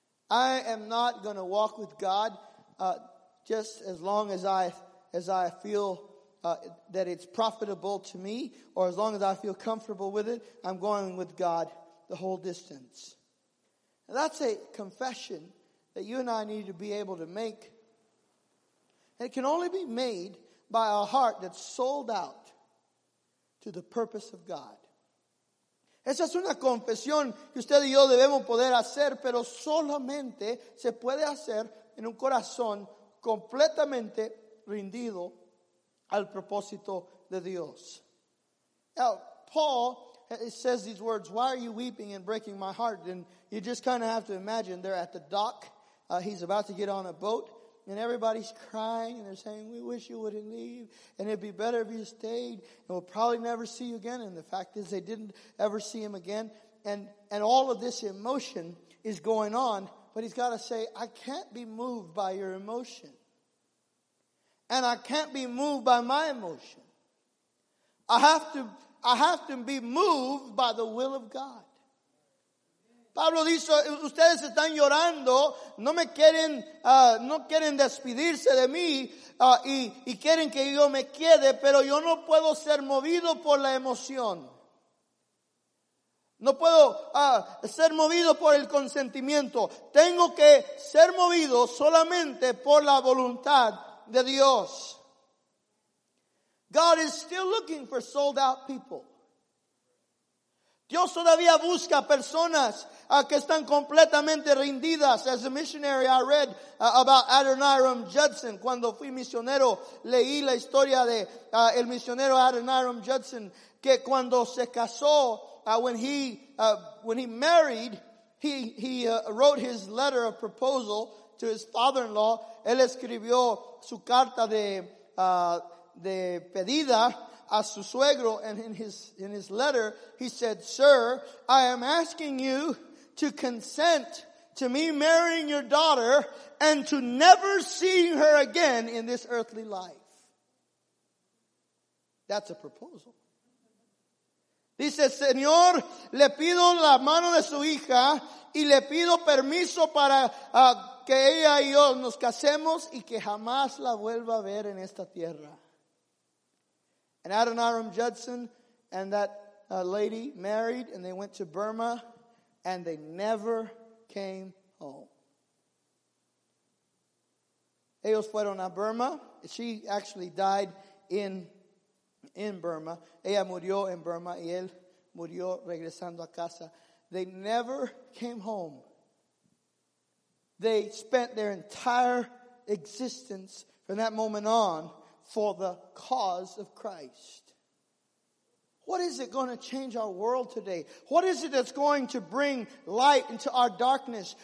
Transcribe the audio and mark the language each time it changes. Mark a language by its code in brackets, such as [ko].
[en] I am not going to walk with God just as long as I feel that it's profitable to me, or as long as I feel comfortable with it. I'm going with God the whole distance. And that's a confession that you and I need to be able to make. And it can only be made by a heart that's sold out to the purpose of God. [es] Esa es una confesión que usted y yo debemos poder hacer, pero solamente se puede hacer en un corazón completamente rendido al propósito de Dios. [en] Now, Paul says these words: why are you weeping and breaking my heart? And you just kind of have to imagine they're at the dock. He's about to get on a boat, and everybody's crying, and they're saying, we wish you wouldn't leave, and it'd be better if you stayed, and we'll probably never see you again. And the fact is, they didn't ever see him again. And all of this emotion is going on, but he's got to say, I can't be moved by your emotion. And I can't be moved by my emotion. I have to be moved by the will of God. [es] Pablo dice, ustedes están llorando, no quieren despedirse de mí y quieren que yo me quede, pero yo no puedo ser movido por la emoción. No puedo ser movido por el consentimiento. Tengo que ser movido solamente por la voluntad de Dios. [en] God is still looking for sold out people. [es] Dios todavía busca personas que están completamente rendidas. [en] As a missionary, I read about Adoniram Judson. [es] Cuando fui misionero, leí la historia de el misionero Adoniram Judson, que cuando se casó, [en] when he married, he wrote his letter of proposal to his father-in-law. [es] Él escribió su carta de pedida a su suegro, [en] and in his letter he said, sir, I am asking you to consent to me marrying your daughter and to never seeing her again in this earthly life. That's a proposal. [es] Dice, señor, le pido la mano de su hija y le pido permiso para que ella y yo nos casemos y que jamás la vuelva a ver en esta tierra. [en] And Adoniram Judson and that lady married, and they went to Burma, and they never came home. [es] Ellos fueron a Burma. [en] She actually died in Burma. [es] Ella murió en Burma, y él murió regresando a casa. [en] They never came home. They spent their entire existence from that moment on for the cause of Christ. What is it going to change our world today? What is it that's going to bring light into our darkness?